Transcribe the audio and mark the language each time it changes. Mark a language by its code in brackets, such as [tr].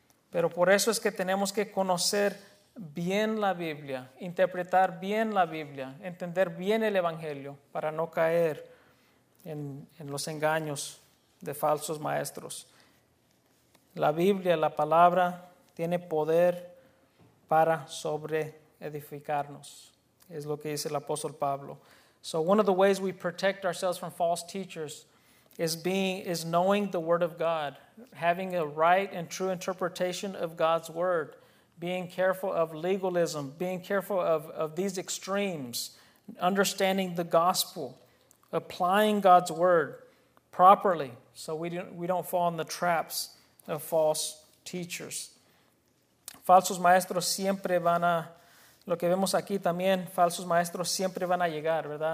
[es] Pero por eso es que tenemos que conocer bien la Biblia, interpretar bien la Biblia, entender bien el Evangelio para no caer en los engaños de falsos maestros. La Biblia, la palabra, tiene poder para sobre edificarnos, es lo que dice el apóstol Pablo. [en] So one of the ways we protect ourselves from false teachers is knowing the Word of God, having a right and true interpretation of God's Word, being careful of legalism, being careful of these extremes, understanding the gospel, applying God's Word properly so we don't fall in the traps of false teachers. [es] Falsos maestros siempre van a... Lo que vemos aquí también, falsos maestros siempre van a llegar, ¿verdad?